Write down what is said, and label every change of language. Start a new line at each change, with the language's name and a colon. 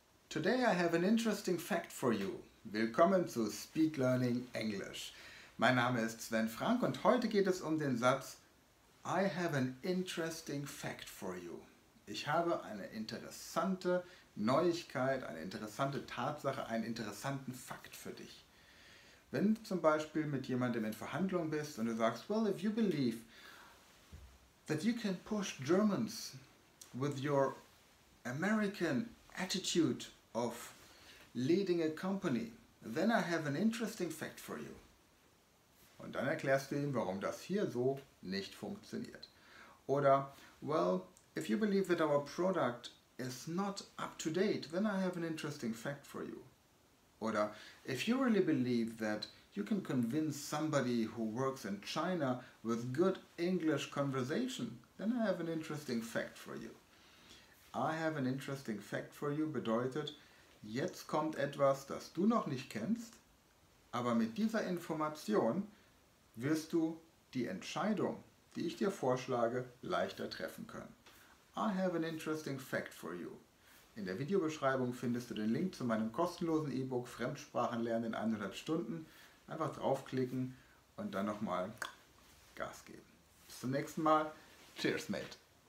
English: Today I have an interesting fact for you.
German: Willkommen zu Speed Learning English. Mein Name ist Sven Frank und heute geht es um den Satz
English: I have an interesting fact for you.
German: Ich habe eine interessante Neuigkeit, eine interessante Tatsache, einen interessanten Fakt für dich. Wenn du zum Beispiel mit jemandem in Verhandlung bist und du sagst,
English: well, if you believe that you can push Germans with your American attitude of leading a company, then I have an interesting fact for you.
German: Und dann erklärst du ihm, warum das hier so nicht funktioniert.
English: Oder, well, if you believe that our product is not up to date, then I have an interesting fact for you. Oder, if you really believe that you can convince somebody who works in China with good English conversation, then I have an interesting fact for you. I have an interesting fact for you
German: bedeutet, jetzt kommt etwas, das du noch nicht kennst, aber mit dieser Information wirst du die Entscheidung, die ich dir vorschlage, leichter treffen können.
English: I have an interesting fact for you.
German: In der Videobeschreibung findest du den Link zu meinem kostenlosen E-Book Fremdsprachen lernen in 100 Stunden. Einfach draufklicken und dann nochmal Gas geben. Bis zum nächsten Mal. Cheers, mate.